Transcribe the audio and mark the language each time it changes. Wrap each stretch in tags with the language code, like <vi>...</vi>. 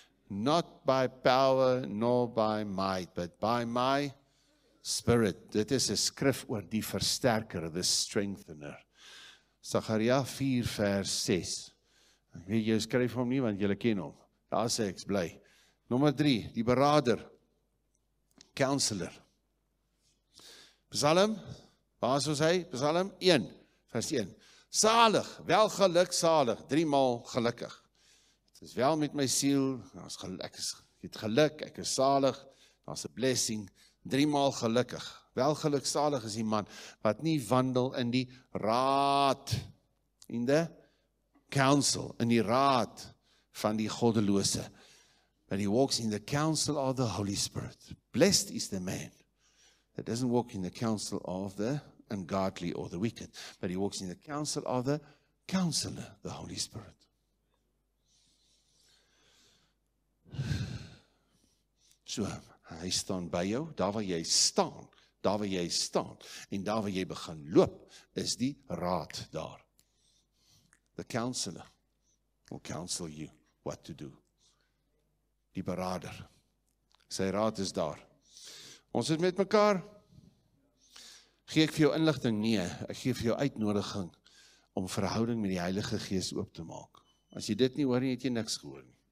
<en>Not by power, nor by might, but by my spirit.</en> <af>Dit is 'n skrif oor die versterker,</af> <en>the strengthener.</en> <af>Sagaria 4 vers 6. Ek weet jy skryf hom nie, want julle ken hom. Daar sê ek bly. Nommer 3, die berader. Counselor. Psalm, waar is ons hy? Psalm 1 vers 1. Salig, welgeluk salig, 3 maal gelukkig. Is wel met my siel, ek is salig, daar's 'n</af> <en>blessing,</en> <af>3 maal gelukkig. Welgeluk salig is die man wat nie wandel in die raad</af> <en>in die counsel</en> <af>in die raad van die goddelose.</af> <en>But he walks in the counsel of the Holy Spirit. Blessed is the man that doesn't walk in the counsel of the ungodly or the wicked, but he walks in the counsel of the counselor, the Holy Spirit.</en> <af>So, hy staan by jou, daar waar jy staan, daar waar jy staan, en daar waar jy begin loop, is die raad daar.</af> <en>The counselor will counsel you what to do.</en> <af>Die berader, sy raad is daar. Ons is met mekaar. Gee ek vir jou inligting? Nee, ek gee vir jou uitnodiging om verhouding met die Heilige Gees oop te maak. As jy dit nie hoor nie, het jy niks gehoor nie.</af>